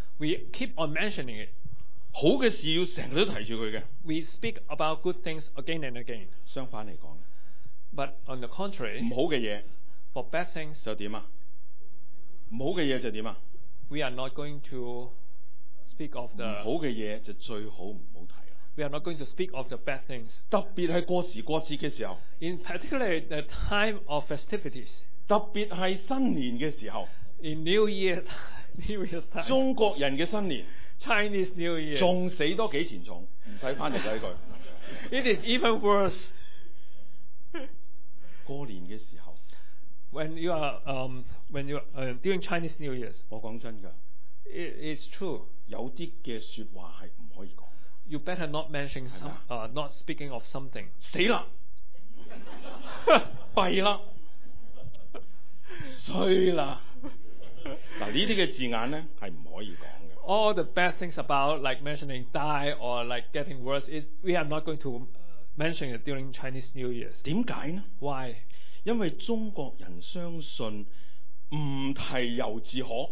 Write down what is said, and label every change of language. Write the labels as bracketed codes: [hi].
[en] ，we keep on mentioning it。 [yue] 好嘅事要成日都提住佢嘅 [en] ，we speak about good things again and again。 [yue] 相反嚟讲。 [en] But on the contrary, [yue] 不好的事 [en] for bad things, [yue] 就怎样？不好的事就怎样？ [en] We are not going to speak of the [yue] 不好的事就最好不要提了。 [en] We are not going to speak of the bad things. [yue] 特别是过时过节的时候。 [en] In particular, the time of festivities. [yue] 特别是新年的时候。 [en] In New Year's time. [yue] 中国人的新年。 [en] Chinese New Year. [yue] 还死多几钱重，不用回来这句。 [en] It is even worse. [yue] 过年的时候 [en] ，when you are during Chinese New Year's， [yue] 我讲真噶 [en] ，it's true， [yue] 有啲嘅说话系唔可以讲。 [en] You better not mention some， not speaking of something。 [yue] 死啦，弊啦，衰啦，嗱呢啲嘅字眼咧系唔可以讲嘅。 [en] All the bad things about like mentioning die or like getting worse， we are not going to。 Mentioned it during Chinese New Year. [yue] 点解呢 [en] ？Why？ [yue] 因为中国人相信唔提犹自可。